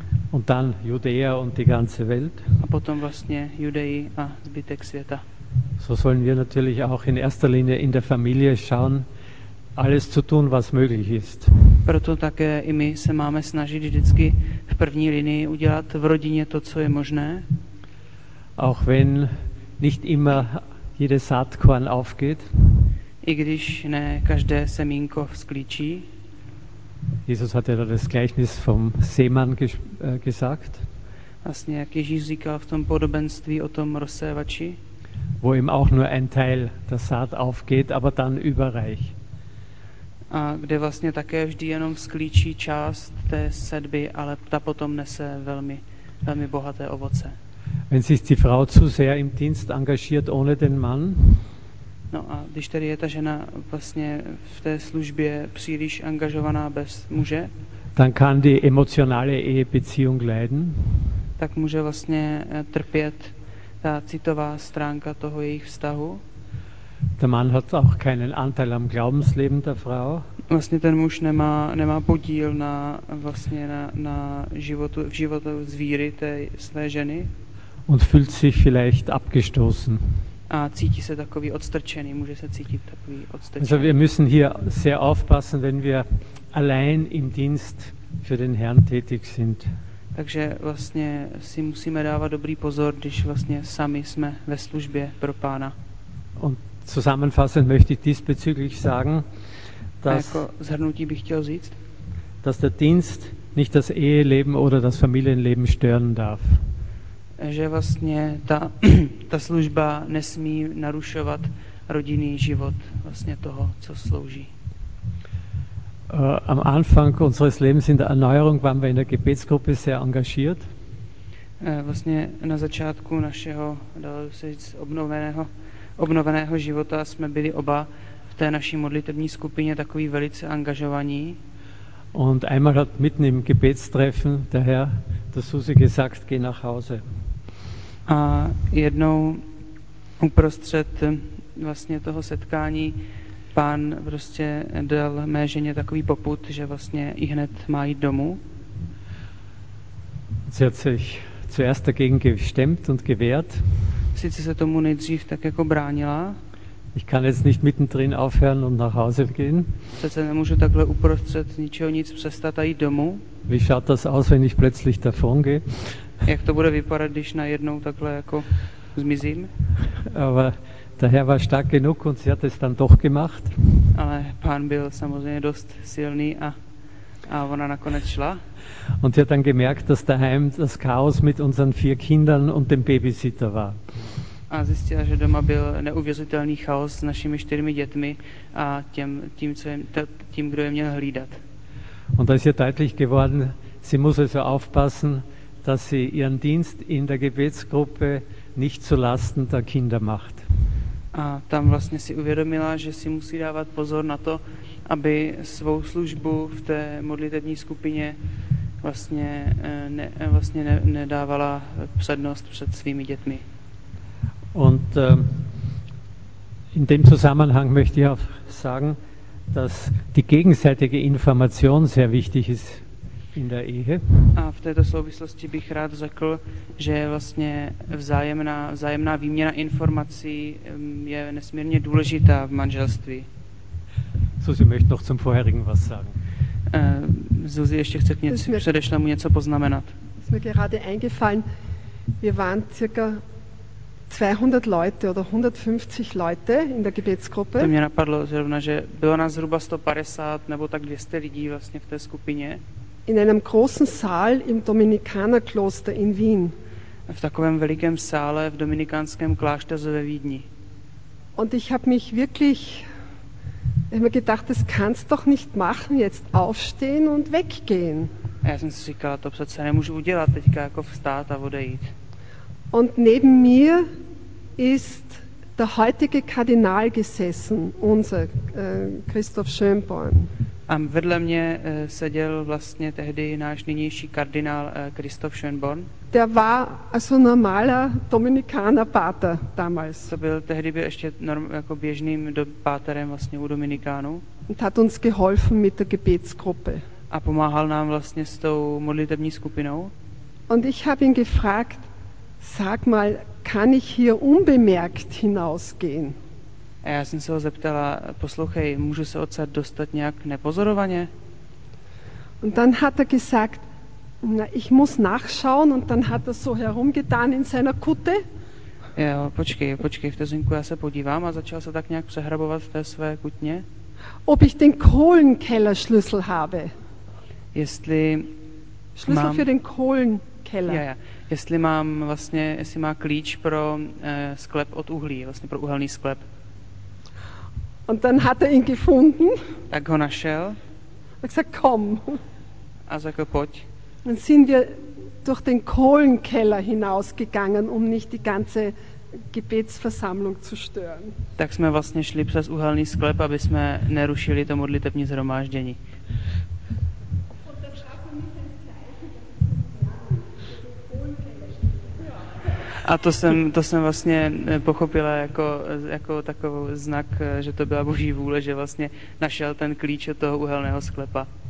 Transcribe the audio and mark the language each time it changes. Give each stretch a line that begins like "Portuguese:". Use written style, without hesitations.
German: Und dann Judäa und die ganze Welt.
Czech: A potom vlastně Judei a zbytek světa.
German: So sollen wir natürlich auch in erster Linie in der Familie schauen, alles zu tun, was möglich ist.
Czech: Proto také i my se máme snažit vždycky v první linii udělat v rodině to, co je možné.
German: Auch wenn nicht immer jedes Saatkorn aufgeht.
Czech: I když ne každé semínko vzklíčí.
German: Jesus hat ja das Gleichnis vom Sämann gesagt.
Czech: Vlastně, jak Ježíš říkal v tom podobenství o tom rozsévači.
German: Wo ihm auch nur ein Teil der Saat aufgeht, aber dann überreich.
Czech: A kde vlastně také vždy jenom vzklíčí část té sedby, ale ta potom nese velmi, velmi bohaté ovoce.
German: Wenn sich die Frau zu sehr im Dienst engagiert ohne den Mann.
Czech: No a když tedy je ta žena vlastně v té službě příliš angažovaná bez muže.
German: Dann kann die emotionale Ehebeziehung leiden.
Czech: Tak může vlastně trpět ta citová stránka toho jejich vztahu.
German: Der Mann hat auch keinen Anteil am Glaubensleben der Frau.
Czech: Vlastně ten muž nemá podíl na vlastně na životu v životu z víry té své ženy.
German: Und fühlt sich vielleicht abgestoßen.
Czech: A cítí se takový odstrčený, může se cítit takový odstrčený.
German: Also wir müssen hier sehr aufpassen, wenn wir allein im Dienst für den Herrn tätig sind.
Czech: Takže vlastně si musíme dávat dobrý pozor, když vlastně sami jsme ve službě pro Pána.
German: Und zusammenfassend möchte ich diesbezüglich sagen, dass,
Czech: jako zhrnutí bych chtěl říct,
German: dass der Dienst nicht das Eheleben oder das Familienleben stören darf.
Czech: Že vlastně ta služba nesmí narušovat rodinný život vlastně toho, co slouží.
German: Am Anfang unseres Lebens in der Erneuerung waren wir in der Gebetsgruppe sehr engagiert.
Czech: Vlastně na začátku našeho, dalo se říct, obnoveného života jsme byli oba v té naší modlitební skupině takový velice angažovaní.
German: Und einmal hat mitten im Gebetstreffen der Herr der Susi gesagt, geh nach Hause.
Czech: A jednou uprostřed vlastně toho setkání Pán prostě dal mé ženě takový poput, že vlastně i hned má jít domů.
German: Sie hat sich zuerst dagegen gestemmt und gewehrt.
Czech: Sice se tomu nejdřív tak jako bránila.
German: Ich kann jetzt nicht mittendrin aufhören und nach Hause gehen.
Czech: Sice nemůžu takhle uprostřed ničeho nic přestat a jít domů.
German: Wie schaut das aus, wenn ich plötzlich davon gehe?
Czech: Jak to bude vypadat, když najednou takhle jako zmizím?
German: Aber der Herr war stark genug und sie hat es dann doch gemacht.
Czech: Ale Pán byl samozřejmě dost silný a ona nakonec šla.
German: Und sie hat dann gemerkt, dass daheim das Chaos mit unseren 4 Kindern und dem Babysitter war.
Czech: A zjistila, že doma byl neuvěřitelný chaos s našimi 4 dětmi a tím, kdo je měl hlídat.
German: Und da ist ihr deutlich geworden, sie muss also aufpassen, dass sie ihren Dienst in der Gebetsgruppe nicht zu Lasten der Kinder macht.
Czech: A tam vlastně si uvědomila, že si musí dávat pozor na to, aby svou službu v té modlitební skupině vlastně nedávala přednost před svými dětmi.
German: Und in dem Zusammenhang möchte ich auch sagen, dass die gegenseitige Information sehr wichtig ist in der Ehe.
Czech: A v této souvislosti bych rád řekl, že vlastně vzájemná výměna informací je nesmírně důležitá v manželství.
German: Susi möchte noch zum vorherigen was sagen.
Czech: Susi ještě chce předešlému něco poznamenat.
German: Ist mir gerade eingefallen, wir waren circa 200 Leute oder 150 Leute in der Gebetsgruppe.
Czech: To mě napadlo zrovna, že bylo nás zhruba 150 nebo tak 200 lidí vlastně v té skupině.
German: In einem großen Saal im Dominikanerkloster in Wien.
Czech: V takovém velikém sále v dominikánském klášteru ve Vídni.
German: Und ich habe mich wirklich immer gedacht, das kannst doch nicht machen, jetzt aufstehen und weggehen.
Czech: Já jsem si říkala, to přece nemůžu udělat teďka jako vstát a odejít.
German: Und neben mir ist der heutige Kardinal gesessen, unser Christoph Schönborn.
Czech: A vedle mě seděl vlastně tehdy náš nynější kardinál Christoph Schönborn.
German: Der war also normaler Dominikaner Pater damals.
Czech: To byl tehdy ještě jako běžným páterem vlastně u Dominikánů.
German: Und hat uns geholfen mit der Gebetsgruppe.
Czech: A pomáhal nám vlastně s tou modlitební skupinou.
German: Und ich habe ihn gefragt, Sag mal, kann ich hier unbemerkt hinausgehen?
Czech: A já jsem se ho zeptala, poslouchej, můžu se odsad dostat nějak nepozorovaně?
German: Und dann hat er gesagt, na, ich muss nachschauen, und dann hat er so herumgetan in seiner Kutte.
Czech: Jo, počkej, vteřinku, já se podívám, a začal se tak nějak přehrabovat v té své kutně.
German: Ob ich den Kohlenkellerschlüssel habe.
Czech: Jestli
German: Schlüssel
Czech: mám,
German: für den Kohlenkeller. Ja.
Czech: Jestli mám vlastně, jestli má klíč pro sklep od uhlí, vlastně pro uhelný sklep.
German: Und dann hat er ihn gefunden.
Czech: Tak ho našel.
German: Tak sagt, komm.
Czech: A řekl, pojď.
German: Dann sind wir durch den Kohlenkeller hinausgegangen, um nicht die ganze Gebetsversammlung zu stören.
Czech: Tak jsme vlastně šli přes uhelný sklep, aby jsme nerušili to modlitební zhromáždění. A to jsem vlastně pochopila jako takový znak, že to byla Boží vůle, že vlastně našel ten klíč od toho uhelného sklepa.